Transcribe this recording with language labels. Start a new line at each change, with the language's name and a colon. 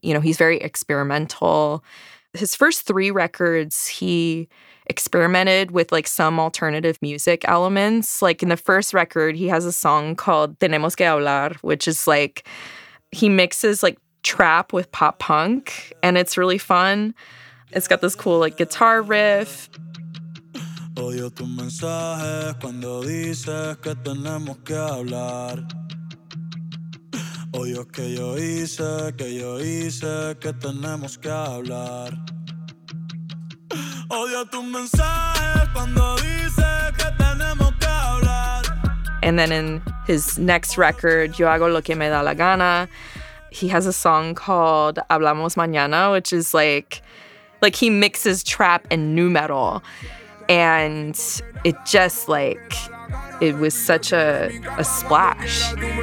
English: You know, he's very experimental. His first three records, he experimented with, like, some alternative music elements. Like, in the first record, he has a song called Tenemos Que Hablar, which is, like, he mixes, like, trap with pop punk, and it's really fun. It's got this cool, like, guitar riff.
Spanish: Odio tus mensajes cuando dices que tenemos que hablar. Odio que yo hice que tenemos que hablar. Odio tus mensajes cuando dices que tenemos que hablar.
English: And then in his next record, Yo Hago Lo Que Me Da La Gana, he has a song called Hablamos Mañana, which is like he mixes trap and nu metal. And it just, like, it was such a splash.